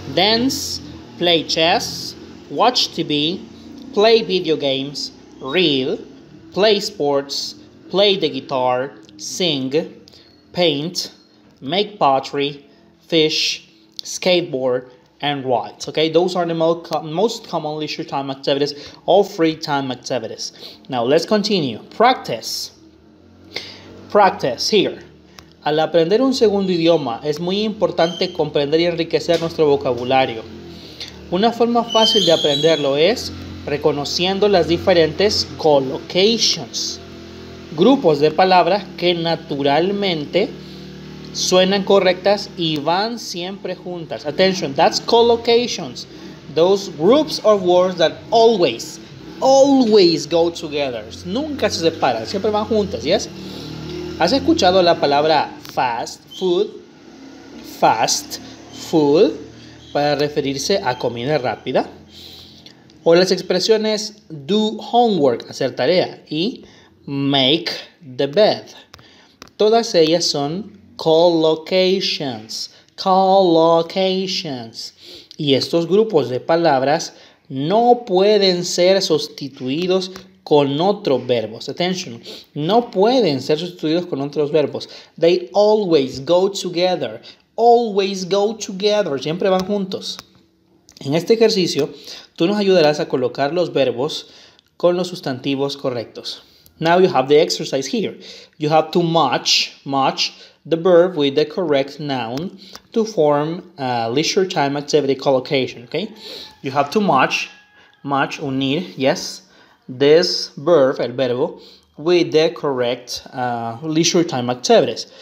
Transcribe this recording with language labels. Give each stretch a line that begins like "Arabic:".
English: Dance, play chess, watch TV, play video games, read, play sports, play the guitar, sing, paint, make pottery, fish, skateboard, and write. Okay, those are the most common leisure time activities, all free time activities. Now, let's continue. Practice. Practice here.
Spanish: Al aprender un segundo idioma, es muy importante comprender y enriquecer nuestro vocabulario. Una forma fácil de aprenderlo es reconociendo las diferentes collocations, grupos de palabras que naturalmente suenan correctas y van siempre juntas.
English: Attention, that's collocations. Those groups of words that always, always go together.
Spanish: Nunca se separan, siempre van juntas, ¿yes? ¿Has escuchado la palabra fast food? Fast food, para referirse a comida rápida. O las expresiones do homework, hacer tarea, y make the bed. Todas ellas son collocations, collocations. Y estos grupos de palabras no pueden ser sustituidos con otros verbos. Attention, no pueden ser sustituidos con otros verbos.
English: They always go together, always go together.
Spanish: Siempre van juntos. En este ejercicio, tú nos ayudarás a colocar los verbos con los sustantivos correctos.
English: Now you have the exercise here. You have to match the verb with the correct noun to form a leisure time activity collocation, okay? You have to match,
Spanish: unir,
English: yes, this verb,
Spanish: el verbo,
English: with the correct leisure time activities.